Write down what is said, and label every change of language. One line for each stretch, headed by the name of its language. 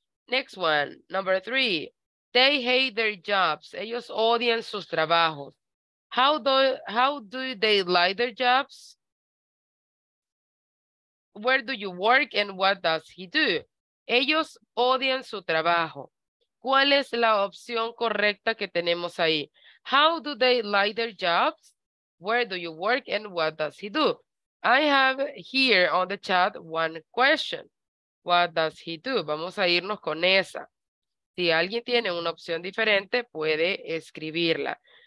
English: Next one, number three. They hate their jobs.
Spanish: Ellos odian sus trabajos.
English: How do they like their jobs? Where do you work and what does he do?
Spanish: Ellos odian su trabajo. ¿Cuál es la opción correcta que tenemos ahí?
English: How do they like their jobs? Where do you work and what does he do? I have here on the chat one question. What does he do?
Spanish: Vamos a irnos con esa. Si alguien tiene una opción diferente, puede escribirla.